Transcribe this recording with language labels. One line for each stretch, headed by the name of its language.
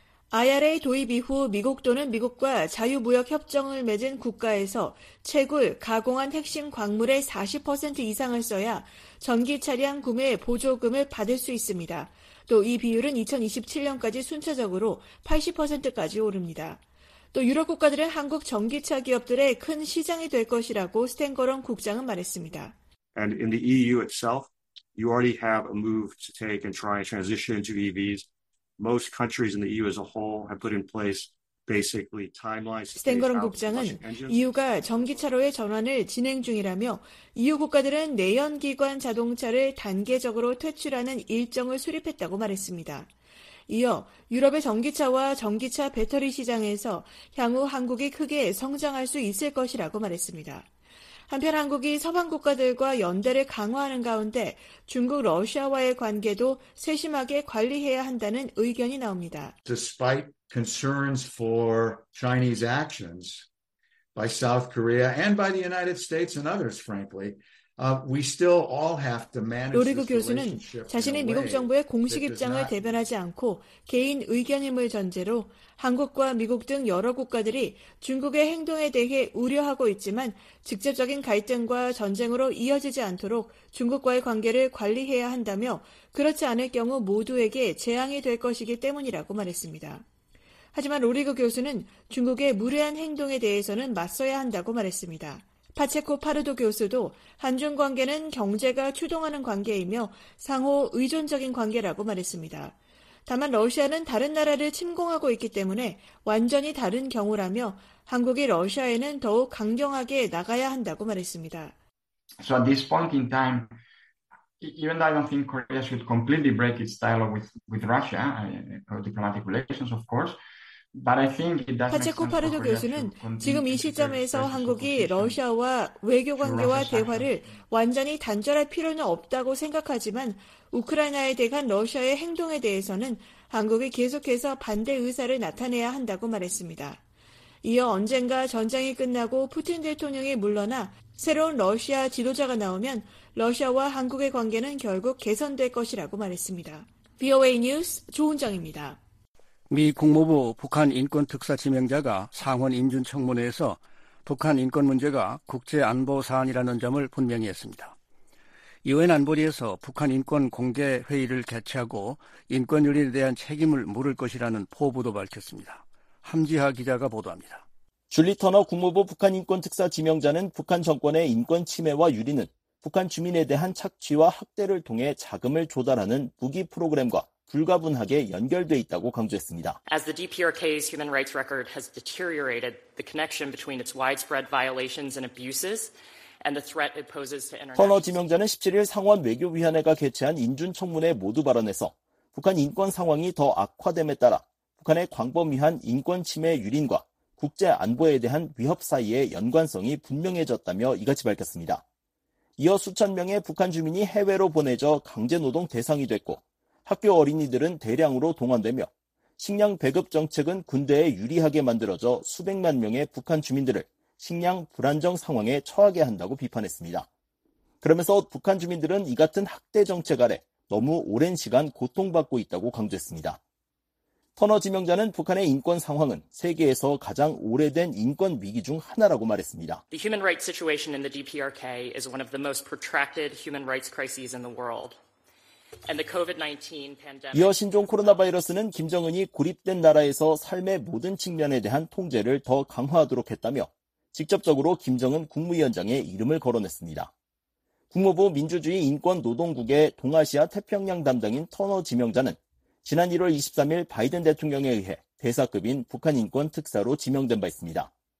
Korean: IRA 도입 이후 미국 또는 미국과 자유무역협정을 맺은 국가에서 채굴, 가공한 핵심 광물의 40% 이상을 써야 전기차량 구매 보조금을 받을 수 있습니다. 또 이 비율은 2027년까지 순차적으로 80%까지 오릅니다. 또 유럽 국가들은 한국 전기차 기업들의 큰 시장이 될 것이라고 스탱거런 국장은 말했습니다.
English: And in the EU itself, you already have a move to take and try and transition to EVs. Most countries in the EU as a whole have put in place basically timelines.
Korean: 스탱거런 국장은 EU가 전기차로의 전환을 진행 중이라며 EU 국가들은 내연기관 자동차를 단계적으로 퇴출하는 일정을 수립했다고 말했습니다. 이어 유럽의 전기차와 전기차 배터리 시장에서 향후 한국이 크게 성장할 수 있을 것이라고 말했습니다. 한편 한국이 서방 국가들과 연대를 강화하는 가운데 중국 러시아와의 관계도 세심하게 관리해야 한다는 의견이 나옵니다.
English: Despite concerns for Chinese actions by South Korea and by the United States and others, frankly, we still all have to manage.
Korean: 로리그 교수는 자신이 미국 정부의 공식 입장을 대변하지 않고 개인 의견임을 전제로 한국과 미국 등 여러 국가들이 중국의 행동에 대해 우려하고 있지만 직접적인 갈등과 전쟁으로 이어지지 않도록 중국과의 관계를 관리해야 한다며 그렇지 않을 경우 모두에게 재앙이 될 것이기 때문이라고 말했습니다. 하지만 로리그 교수는 중국의 무례한 행동에 대해서는 맞서야 한다고 말했습니다. 파체코 파르도 교수도 한중 관계는 경제가 추동하는 관계이며 상호 의존적인 관계라고 말했습니다. 다만 러시아는 다른 나라를 침공하고 있기 때문에 완전히 다른 경우라며 한국이 러시아에는 더욱 강경하게 나가야 한다고 말했습니다.
English: So at this point in time, even though I don't think Korea should completely break its dialogue with Russia, diplomatic relations, of course.
Korean: 파체코 파르도 교수는 지금 이 시점에서 한국이 러시아와 외교 관계와 대화를 완전히 단절할 필요는 없다고 생각하지만 우크라이나에 대한 러시아의 행동에 대해서는 한국이 계속해서 반대 의사를 나타내야 한다고 말했습니다. 이어 언젠가 전쟁이 끝나고 푸틴 대통령이 물러나 새로운 러시아 지도자가 나오면 러시아와 한국의 관계는 결국 개선될 것이라고 말했습니다. VOA 뉴스 조은정입니다. 미 국무부 북한인권특사 지명자가 상원인준청문회에서 북한인권 문제가 국제안보사안이라는 점을 분명히 했습니다. 유엔 안보리에서 북한인권공개회의를 개최하고 인권유린에 대한 책임을 물을 것이라는 포부도 밝혔습니다. 함지하 기자가 보도합니다. 줄리 터너 국무부 북한인권특사 지명자는 북한 정권의 인권침해와 유린은 북한 주민에 대한 착취와 학대를 통해 자금을 조달하는 무기 프로그램과 불가분하게 연결돼 있다고 강조했습니다.
English: As the DPRK's human rights record has deteriorated, the connection between its widespread violations and abuses and the threat it poses to international.
Korean: 터너 지명자는 17일 상원 외교위원회가 개최한 인준청문회 모두 발언에서 북한 인권 상황이 더 악화됨에 따라 북한의 광범위한 인권 침해 유린과 국제 안보에 대한 위협 사이의 연관성이 분명해졌다며 이같이 밝혔습니다. 이어 수천 명의 북한 주민이 해외로 보내져 강제노동 대상이 됐고 학교 어린이들은 대량으로 동원되며 식량 배급 정책은 군대에 유리하게 만들어져 수백만 명의 북한 주민들을 식량 불안정 상황에 처하게 한다고 비판했습니다. 그러면서 북한 주민들은 이 같은 학대 정책 아래 너무 오랜 시간 고통받고 있다고 강조했습니다. 터너 지명자는 북한의 인권 상황은 세계에서 가장 오래된 인권 위기 중 하나라고 말했습니다.
English: The human rights situation in the DPRK is one of the most protracted human rights crises in the world. And the COVID-19 pandemic.
Korean: 이어 신종 코로나 바이러스는 김정은이 고립된 나라에서 삶의 모든 측면에 대한 통제를 더 강화하도록 했다며 직접적으로 김정은 국무위원장의 이름을 거론했습니다. 국무부 민주주의 인권노동국의 동아시아 태평양 담당인 터너 지명자는 지난 1월 23일 바이든 대통령에 의해 대사급인 북한인권특사로 지명된 바 있습니다.